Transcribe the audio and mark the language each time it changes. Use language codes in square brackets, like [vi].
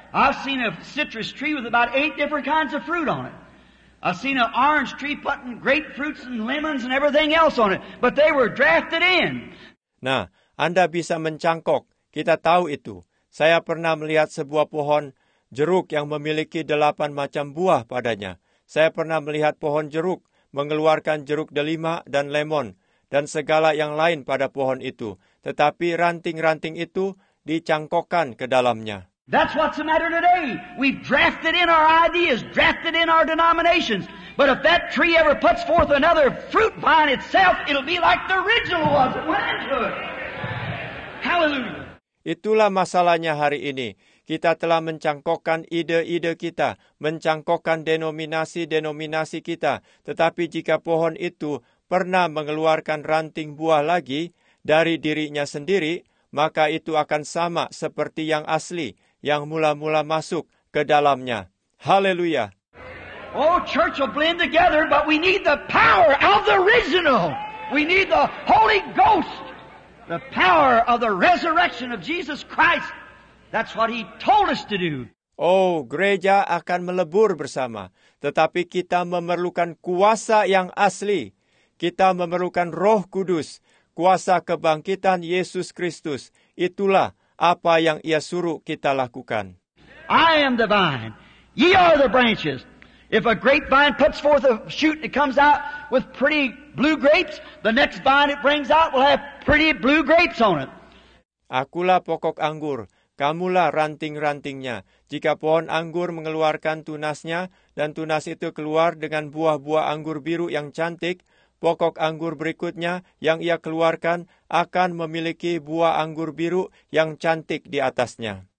[en] I've seen a citrus tree with about 8 different kinds of fruit on it. I've seen an orange tree putting grapefruits and lemons and everything else on it. But they were drafted in. [id] Nah, Anda bisa mencangkok. Kita tahu itu. Saya pernah melihat sebuah pohon jeruk yang memiliki 8 macam buah padanya. Saya pernah melihat pohon jeruk mengeluarkan jeruk delima dan lemon dan segala yang lain pada pohon itu. Tetapi ranting-ranting itu dicangkokkan ke dalamnya. [en] That's what's the matter today. We drafted in our ideas, drafted in our denominations. But if that tree ever puts forth another fruit vine itself, it'll be like the original was at Wandsworth. Hallelujah. [id] Itulah masalahnya hari ini. Kita telah mencangkokkan ide-ide kita, mencangkokkan denominasi-denominasi kita. Tetapi jika pohon itu pernah mengeluarkan ranting buah lagi dari dirinya sendiri, maka itu akan sama seperti yang asli, yang mula-mula masuk ke dalamnya. Haleluya. [en] Oh, church will blend together, but we need the power of the original. We need the Holy Ghost, the power of the resurrection of Jesus Christ. That's what he told us to do. [id] Oh, gereja akan melebur bersama. Tetapi kita memerlukan kuasa yang asli. Kita memerlukan Roh Kudus, kuasa kebangkitan Yesus Kristus. Itulah apa yang ia suruh kita lakukan. [en] I am the vine. Ye are the branches. If a grapevine puts forth a shoot and it comes out with pretty blue grapes, the next vine it brings out will have pretty blue grapes on it. [id] Akulah pokok anggur. Kamulah ranting-rantingnya. Jika pohon anggur mengeluarkan tunasnya, dan tunas itu keluar dengan buah-buah anggur biru yang cantik, pokok anggur berikutnya yang ia keluarkan akan memiliki buah anggur biru yang cantik di atasnya.